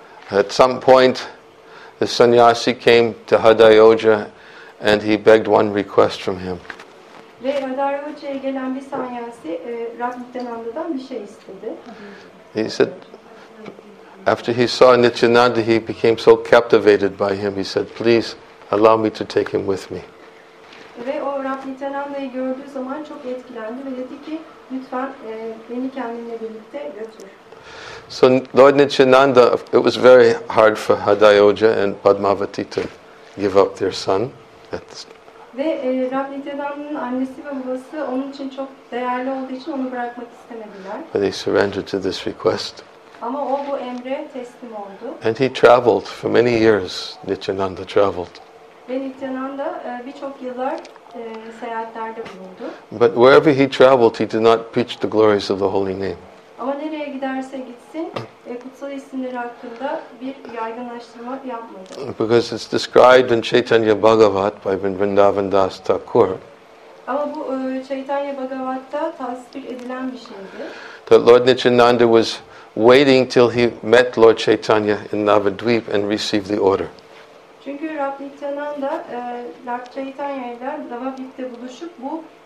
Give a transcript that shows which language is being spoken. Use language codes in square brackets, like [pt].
[en] At some point, the sannyasi came to Hadayoja and he begged one request from him. [tr] Ve Hadayoja'ya gelen bir sannyasi Rahmuttenanda'dan bir şey istedi. [en] He said, after he saw Nityananda, he became so captivated by him. He said, please allow me to take him with me. [tr] Ve o Rahmuttenanda'yı gördüğü zaman çok etkilendi ve dedi ki, lütfen beni kendinle birlikte götür. [en] So Lord Nityananda, it was very hard for Hadayoja and Padmavati to give up their son. [tr] Ve Rab Nityananda'nın annesi ve babası onun için çok değerli olduğu için onu bırakmak istemediler. [en] But they surrendered to this request. [tr] Ama o bu emre teslim oldu. [en] And he traveled for many years. Nityananda traveled. [tr] Ve Nityananda birçok yıllar seyahatlerde bulundu. [en] But wherever he traveled, he did not preach the glories of the holy name. [tr] Ama nereye giderse gitsin, kutsal isimleri hakkında bir yaygınlaştırma yapmadı. [en] Because it's described in Chaitanya Bhagavat by Vrindavan Das Thakur. [tr] Ama bu Chaitanya Bhagavat'ta tasvir edilen bir şeydi. [en] That Lord Nityananda was waiting till he met Lord Chaitanya in Navadvip and received the order. [tr] Çünkü Rab Nityananda Lord Chaitanya ile Navadvip'te buluşup bu